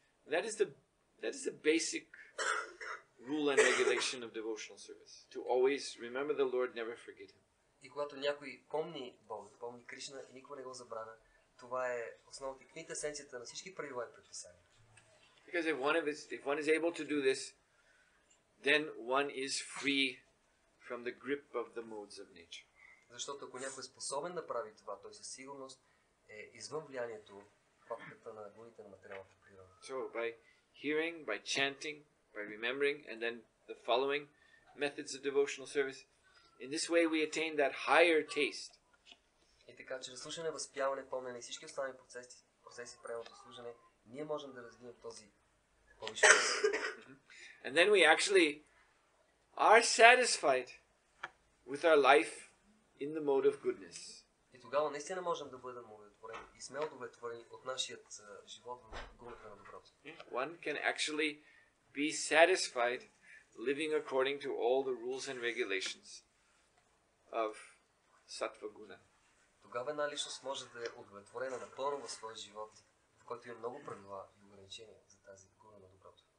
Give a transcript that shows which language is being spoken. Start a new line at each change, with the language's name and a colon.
English: That is the basic rule and regulation of devotional service. To always remember the Lord, never forget him.
Bulgarian: И когато някой помни Бога, помни Кришна и никога не го забравя, това е основата и квинтесенцията на всички правила и предписания.
English: Because if one is able to do this, then one is free from the grip of the modes of nature.
Bulgarian: Защото ако някой е способен да прави това, той със сигурност е извън влиянието хватката на гоните на материалната природа.
English: So by hearing, by chanting, by remembering, and then the following methods of devotional service, in this way we attain that higher taste.
Bulgarian: И така, чрез слушане, възпяване, помнене и всички останали процеси, правилното служене, ние можем да развием този повишен.
English: And then we actually are satisfied with our life in the mode of goodness.
Bulgarian: И тогава наистина можем да бъдем удовлетворени и сме удовлетворени от нашият живот в гумата на доброто.
English: One can actually be satisfied living according to all the rules and regulations of sattva guna.
Bulgarian: Тогава една личност може да е удовлетворена напълно в своя живот, в който има много правила и ограничения за тази гуна на доброто.